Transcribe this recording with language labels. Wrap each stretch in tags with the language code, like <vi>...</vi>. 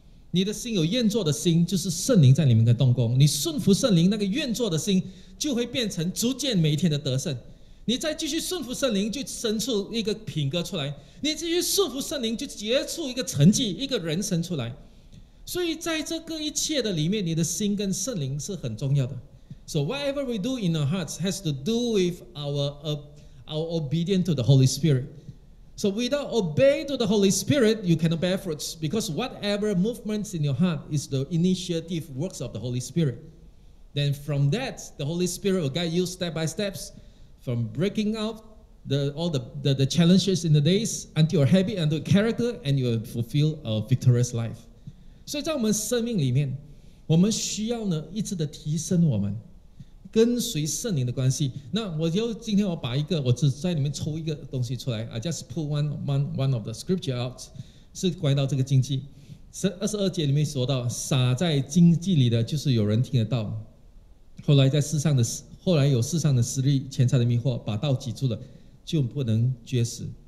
<zh>你的心有愿做的心，就是圣灵在里面的动工。你顺服圣灵，那个愿做的心就会变成逐渐每一天的得胜。你再继续顺服圣灵，就生出一个品格出来。你继续顺服圣灵，就结出一个成绩，一个人生出来。所以在这个一切的里面，你的心跟圣灵是很重要的。</zh> <en>So whatever we do in our hearts has to do with our obedience to the Holy Spirit. So without obey to the Holy Spirit, you cannot bear fruits. Because whatever movements in your heart is the initiative works of the Holy Spirit. Then from that, the Holy Spirit will guide you step by steps from breaking out all the challenges in the days until your habit, until character, and you will fulfill a victorious life.</en> <zh>所以在我们生命里面，我们需要呢一直的提升我们。跟随圣灵的关系，那我就今天我把一个我只在里面抽一个东西出来 ，</zh> <en>I just pull one of the scripture out，</en> <zh>是关于到这个经济。 22节里面说到，撒在经济里的就是有人听得到，后来有世上的私利、钱财的迷惑，把道挤住了，就不能结实。</zh>